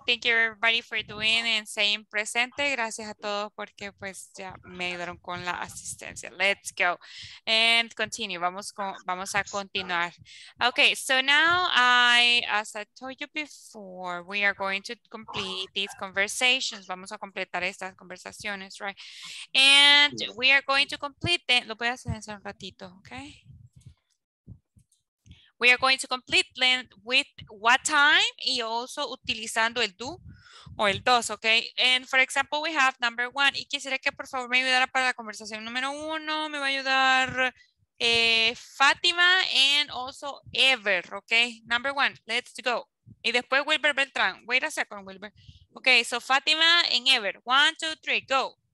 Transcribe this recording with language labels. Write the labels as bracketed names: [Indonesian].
[English] Thank you everybody for doing and saying presente. [Spanish] Gracias a todos porque pues ya me ayudaron con la asistencia. [English] Let's go and continue. [Spanish] Vamos a continuar. [English] Okay, so now as I told you before, we are going to complete these conversations. [Spanish] Vamos a completar estas conversaciones, [English] right? And we are going to complete them. [Spanish] Lo voy a hacer en un ratito, okay? [English] We are going to complete them with what time y also [Spanish] utilizando el do o el does, [English] okay? And for example, we have number one. [Spanish] Y quisiera que por favor me ayudara para la conversación número uno. Me va a ayudar Fátima [English] and also [Spanish] Ever, okay? [English] Number one, let's go. [Spanish] Y después [English] Wilber Beltrán. Wait a second, Wilber. Okay, so Fátima and Ever. One, two, three, go.